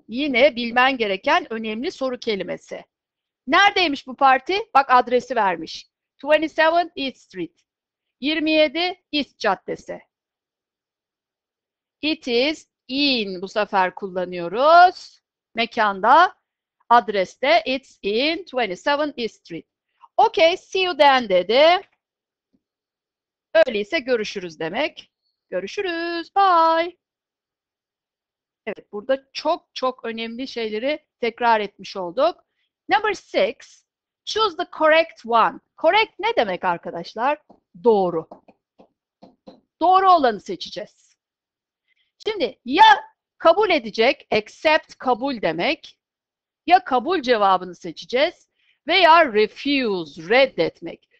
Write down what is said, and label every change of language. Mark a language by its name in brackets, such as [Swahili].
[Turkish] Yine bilmen gereken önemli soru kelimesi. Neredeymiş bu parti? Bak adresi vermiş. 27 East Street. 27 East Caddesi. [English] It is in [Turkish] bu sefer kullanıyoruz. Mekanda, adreste [English] it's in 27 East Street. Okay, see you then [Turkish] dedi. Öyleyse görüşürüz demek. Görüşürüz. Bye. Evet, burada çok çok önemli şeyleri tekrar etmiş olduk. [English] Number six, choose the correct one. [Turkish] Correct ne demek arkadaşlar? Doğru. Doğru olanı seçeceğiz. Şimdi ya kabul edecek, [English] accept [Turkish] kabul demek, ya kabul cevabını seçeceğiz veya refuse, reddetmek.